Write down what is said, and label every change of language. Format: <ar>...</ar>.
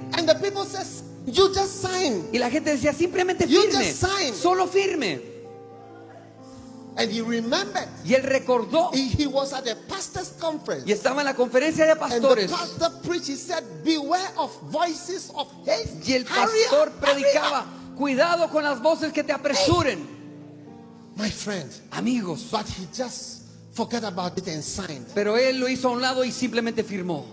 <en>And the people says. You just sign.</en> <es>Y la gente decía simplemente firme.</es> <en>You just sign.</en> <es>Solo firme.</es> <en>And he remembered.</en> <es>Y él recordó.</es> <en>He was at a pastor's conference.</en> <es>Y estaba en la conferencia de pastores.</es> <en>And the pastor preached. He said, "Beware of voices of haste."</en> <es>Y el pastor predicaba, cuidado con las voces que te apresuren.</es> <en>My friend,</en> <es>amigos.</es> <en>But he just forgot about it and signed.</en> <es>Pero él lo hizo a un lado y simplemente firmó.</es>